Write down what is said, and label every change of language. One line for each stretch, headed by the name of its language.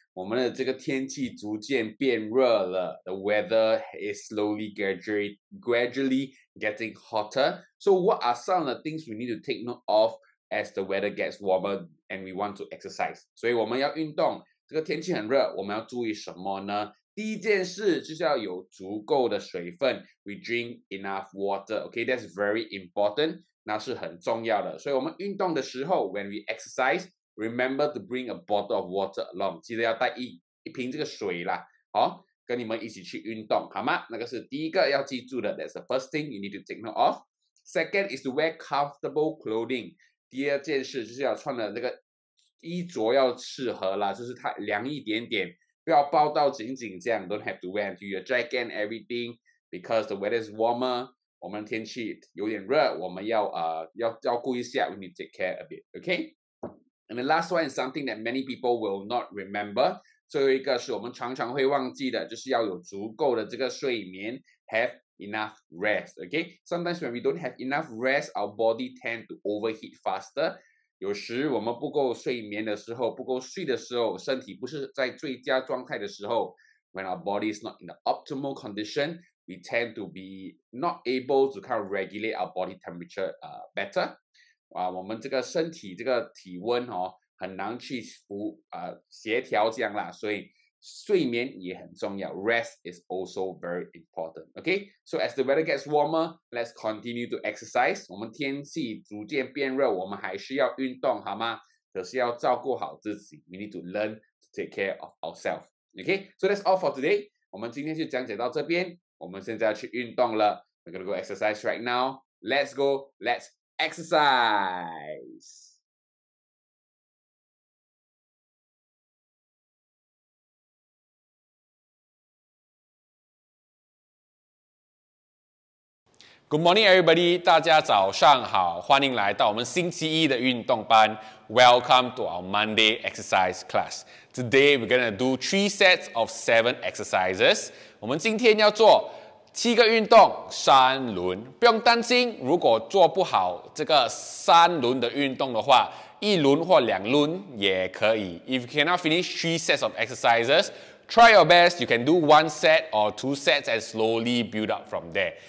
Chinese: 我们的这个天气逐渐变热了。
English: The weather is slowly gradually getting hotter. So what are some of the things we need to take note of as the weather gets warmer and we want to exercise?
Chinese: 所以我们要运动。这个天气很热，我们要注意什么呢？第一件事就是要有足够的水分。
English: We drink enough water. Okay, that's very important.
Chinese: 那是很重要的。所以我们运动的时候 ,
English: when we exercise, remember to bring a bottle of water along.
Chinese: 记得要带 一瓶这个水啦。好，跟你们一起去运动好吗？那个是第一个要记住的。
English: That's the first thing you need to take note of. Second is to wear comfortable clothing.
Chinese: 第二件事就是要穿的那个衣着要适合啦，就是它凉一点点。不要抱到紧紧这样
English: ,don't have to wear until your jacket and everything, because the weather is warmer,
Chinese: 我们天气有点热，我们要照顾一下
English: ,we need to take care a bit, okay? And the last one is something that many people will not remember,
Chinese: 最后一个是我们常常会忘记的，就是要有足够的这个睡眠
English: ,have enough rest, okay? Sometimes when we don't have enough rest, our body tend to overheat faster,
Chinese: 有时我们不够睡眠的时候，不够睡的时候，身体不是在最佳状态的时候
English: ,when our body is not in the optimal condition, we tend to be not able to kind of regulate our body temperature better.、
Chinese: 我们这个身体这个体温、哦、很难去协调这样啦，所以睡眠也很重要
English: ,rest is also very important, okay? So as the weather gets warmer, let's continue to exercise.
Chinese: 我们天气逐渐变热，我们还是要运动好吗？可是要照顾好自己
English: ,we need to learn to take care of ourselves, okay? So that's all for today.
Chinese: 我们今天就讲解到这边，我们现在要去运动了。
English: We're gonna go exercise right now. Let's go, let's exercise! Good morning, everybody.
Chinese: 大家早上好，欢迎来到我们星期一的运动班。
English: Welcome to our Monday exercise class. Today, we're going to do 3 sets of 7 exercises.
Chinese: 我们今天要做七个运动，三轮。不用担心，如果做不好这个三轮的运动的话，一轮或两轮也可以。
English: If you cannot finish 3 sets of exercises,Try your best, you can do 1 set or 2 sets and slowly build up from there.